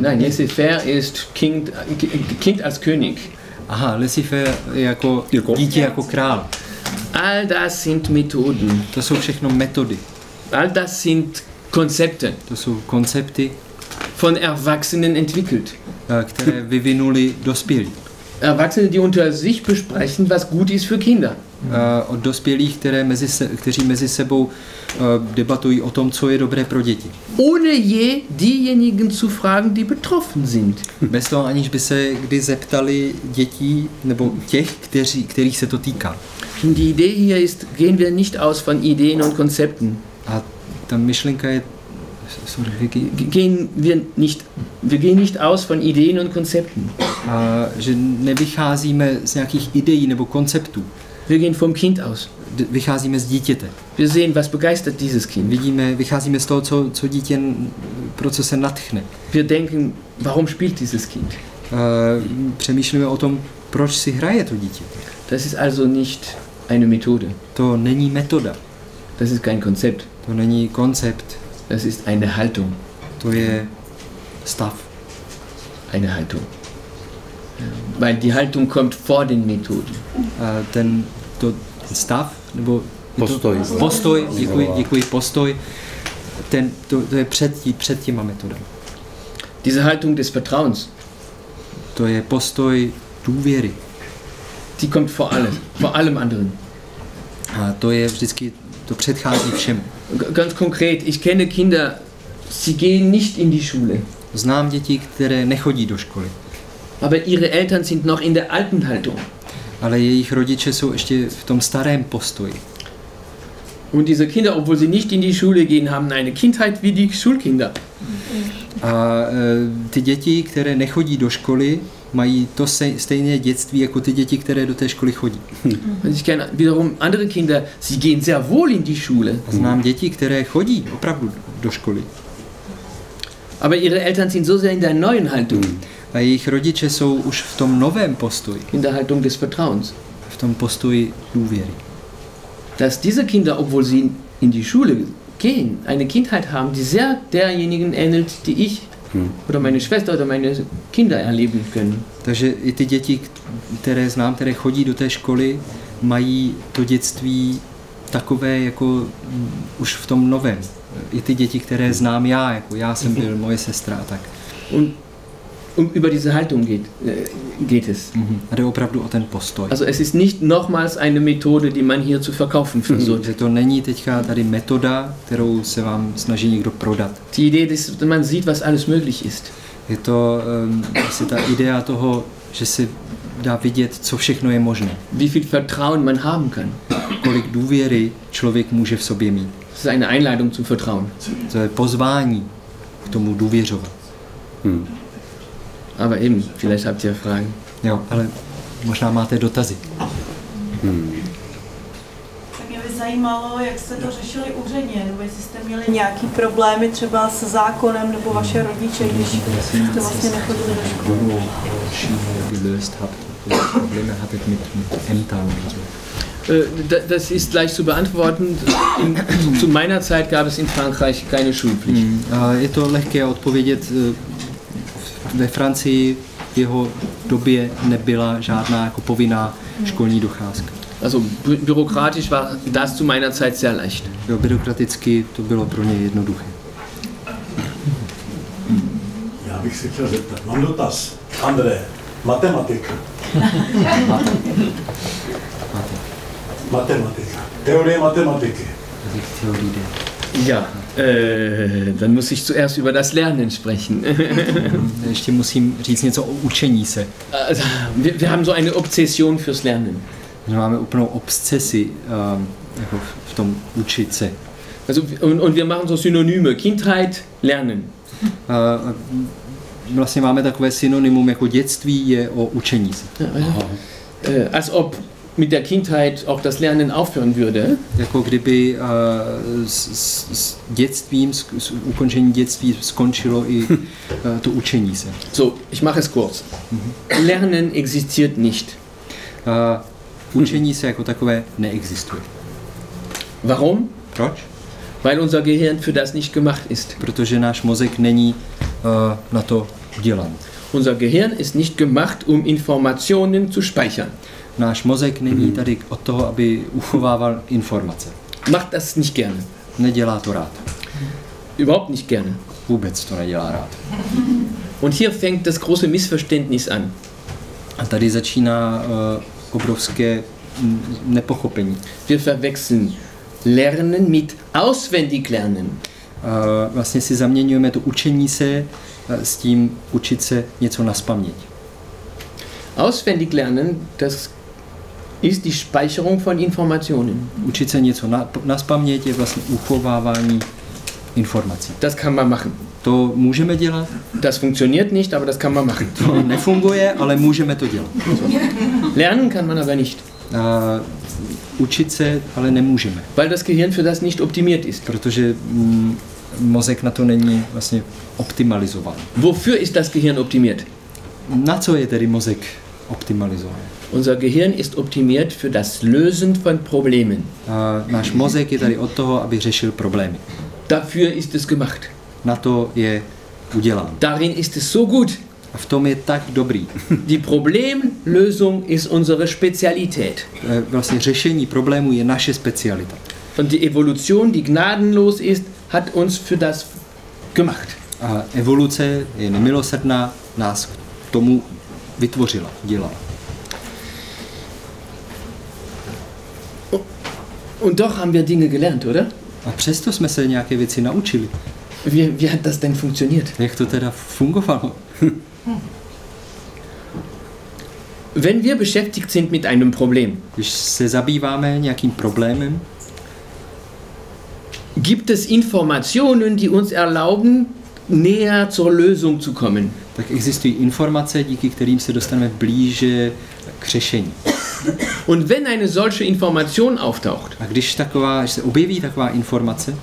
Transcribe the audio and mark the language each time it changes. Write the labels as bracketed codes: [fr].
[de] Nein, Laissez-faire ist Kind als König. [cs] Aha, Laissez-faire jako dítě jako král. [de] All das sind Methoden. [cs] To jsou všechno metody. [de] All das sind Konzepte. [cs] To jsou koncepty. [de] Von Erwachsenen entwickelt. [cs] Které vyvinuli dospělí. [de] Erwachsene, die unter sich besprechen, was gut ist für Kinder. [cs] Od dospělých, kteří mezi sebou debatují o tom, co je dobré pro děti. [de] Ohne je diejenigen zu fragen, die betroffen sind. [cs] Bez toho, aniž by se kdy zeptali dětí nebo těch, kterých se to týká. [de] Die Idee hier ist, gehen wir nicht aus von Ideen und Konzepten. [cs] A ta myšlenka je, sorry, [de] wir gehen nicht aus von Ideen und Konzepten. [cs] A že nevycházíme z nějakých ideí nebo konceptů. [de] Wir gehen vom Kind aus. [cs] Vycházíme z dítěte. [de] Wir sehen, was begeistert dieses Kind. [cs] Vycházíme z toho, co dítě, pro co se nadchne. [de] Wir denken, warum spielt dieses Kind? [cs] Přemýšlíme o tom, proč si hraje to dítě. [de] Das ist also nicht eine Methode. [cs] To není metoda. [de] Das ist kein Konzept. [cs] To není koncept. [de] Das ist eine Haltung. [cs] To je stav. [de] Eine Haltung. Weil die Haltung kommt vor den Methoden. [cs] Denn to stav, nebo postoj. Postoj, děkuji, postoj. Ten, to je před těma metodami. [de] Diese Haltung des Vertrauens. [cs] To je postoj důvěry. [de] Die kommt vor allem, vor allem anderen. [cs] A to je vždycky, to předchází všem. [de] Ganz konkret, ich kenne Kinder, sie gehen nicht in die Schule. [cs] Znám děti, které nechodí do školy. [de] Aber ihre Eltern sind noch in der alten Haltung. [cs] Ale jejich rodiče jsou ještě v tom starém postoji. [de] Und diese Kinder, obwohl sie nicht in die Schule gehen, haben eine Kindheit wie die Schulkinder. [cs] A ty děti, které nechodí do školy, mají to stejné dětství jako ty děti, které do té školy chodí. [de] Und ich kenne wiederum andere Kinder, sie gehen sehr wohl in die Schule. [cs] Znám děti, které chodí opravdu do školy. [de] Aber ihre Eltern sind so sehr in der neuen Haltung. [cs] A jejich rodiče jsou už v tom novém postoji. [de] In der Haltung des Vertrauens. [cs] V tom postoji důvěry. [de] Dass diese Kinder, obwohl sie in die Schule gehen, eine Kindheit haben, die sehr derjenigen ähnelt, die ich oder meine Schwester oder meine Kinder erleben können. [cs] Takže i ty děti, které znám, které chodí do té školy, mají to dětství takové jako už v tom novém. I ty děti, které znám já, jako já jsem byl, moje sestra a tak. [de] Und über diese Haltung geht es. [cs] A jde opravdu o ten postoj. [de] Also es ist nicht nochmals eine Methode, die man hier zu verkaufen versucht. [cs] Takže to není teďka tady metoda, kterou se vám snaží někdo prodat. [de] Die Idee, dass man sieht, was alles möglich ist. [cs] Je to asi ta idea toho, že se dá vidět, co všechno je možné. [de] Wie viel Vertrauen man haben kann. [cs] Kolik důvěry člověk může v sobě mít. [de] Das ist eine Einladung zum Vertrauen. [cs] To je pozvání k tomu důvěřovat. [de] Aber eben, vielleicht habt ihr Fragen. [cs] Ja, ale možná máte dotazy. Tak mě by zajímalo, jak jste to řešili úředně, nebo jestli jste měli nějaké problémy třeba se zákonem nebo vaše rodiče, když jste vlastně nechodili do školy. [de] Gelöst habt, Probleme hattet mit Ämtern und so. Das ist leicht zu beantworten. Zu meiner Zeit gab es in Frankreich keine Schulpflicht. [cs] Je to lehké odpovědět. Ve Francii v jeho době nebyla žádná jako povinná školní docházka. [de] Also bürokratisch war das zu meiner Zeit sehr leicht. [cs] Jo, byrokraticky to bylo pro ně jednoduché. Já bych se chtěl zeptat. Mám dotaz. André, matematika. Matematika. Teorie matematiky. Teorie. [de] Ja, dann muss ich zuerst über das Lernen sprechen. [cs] Ještě musím říct něco o učení se. [de] Wir haben so eine Obsession fürs Lernen. [cs] Že máme úplnou obsesi jako v tom učit se. [de] Also, und wir machen so Synonyme. Kindheit, Lernen. [cs] Vlastně máme takové synonymum jako dětství je o učení se. [de] Als ob mit der Kindheit auch das Lernen aufhören würde. [cs] Jako kdyby s dětstvím, s ukončením dětství skončilo i to učení se. [de] So, ich mache es kurz. Lernen existiert nicht. [cs] Učení se jako takové neexistuje. [de] Warum? [cs] Proč? [de] Weil unser Gehirn für das nicht gemacht ist. [cs] Protože náš mozek není na to udělan. [de] Unser Gehirn ist nicht gemacht, um Informationen zu speichern. [cs] Náš mozek není tady od toho, aby uchovával informace. [de] Macht das nicht gerne. [cs] Nedělá to rád. [de] Überhaupt nicht gerne. [cs] Vůbec to nedělá rád. [de] Und hier fängt das große Missverständnis an. [cs] A tady začíná obrovské nepochopení. [de] Wir verwechseln lernen mit auswendig lernen. [cs] Vlastně si zaměňujeme to učení se s tím učit se něco naspaměť. [de] Auswendig lernen, das ist die Speicherung von Informationen. [cs] Učit se něco na paměť je vlastně uchovávání informací. [de] Das kann man machen. [cs] To můžeme dělat. [de] Das funktioniert nicht, aber das kann man machen. [cs] To nefunguje, ale můžeme to dělat. [de] Lernen kann man aber nicht. [cs] Učit se, ale nemůžeme. [de] Weil das Gehirn für das nicht optimiert ist. [cs] Protože mozek na to není vlastně optimalizovaný. [de] Wofür ist das Gehirn optimiert? [cs] Na co je tedy mozek optimalizovaný? [de] Unser Gehirn ist optimiert für das Lösen von Problemen. [cs] Náš mozek je tady od toho, aby řešil problémy. [de] Dafür ist es gemacht. [cs] Na to je udělán. [de] Darin ist es so gut. [cs] v tom je tak dobrý. [de] Die Problemlösung ist unsere Spezialität. [cs] Vlastně řešení problému je naše specialita. [de] Und die Evolution, die gnadenlos ist, hat uns für das gemacht. [cs] A evoluce je nemilosrdná, nás k tomu vytvořila, dělala. [de] Und doch haben wir Dinge gelernt, oder? [cs] A přesto jsme se nějaké věci naučili. [de] Wie hat das denn funktioniert? [cs] Jak to teda fungovalo? [de] Wenn wir beschäftigt sind mit einem Problem, [cs] když se zabýváme nějakým problémem, [de] gibt es Informationen, die uns erlauben, näher zur Lösung zu kommen. [cs] Tak existují informace, díky kterým se dostaneme blíže k řešení. [de] Und wenn eine solche Information auftaucht, [cs] a když taková, když se objeví taková informace,